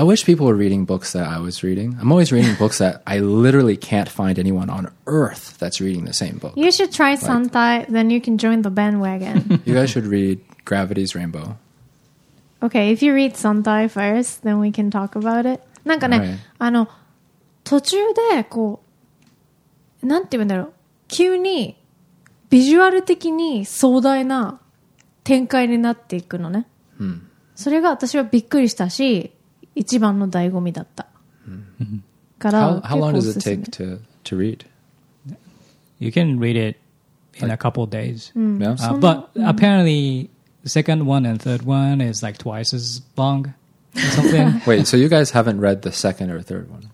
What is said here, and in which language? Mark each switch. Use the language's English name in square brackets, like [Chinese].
[English] I wish people were reading books that I was reading. I'm always reading books that I literally can't find anyone on Earth that's reading the same book. You should try Santai, then you can join the bandwagon. You guys should read... Gravity's Rainbow. Okay, if you read Santai first, then we can talk about it. [Japanese] なんかね、right. あの途中でこうなんて言うんだろう、急にビジュアル的に壮大な展開になっていくのね。 Hmm. それが私はびっくりしたし、一番の醍醐味だった。 Hmm. [English] から how long does it take to read? You can read it in a couple of days. Yeah. But apparently. The second one and third one is like twice as long. something. Wait, so you guys haven't read the second or third one?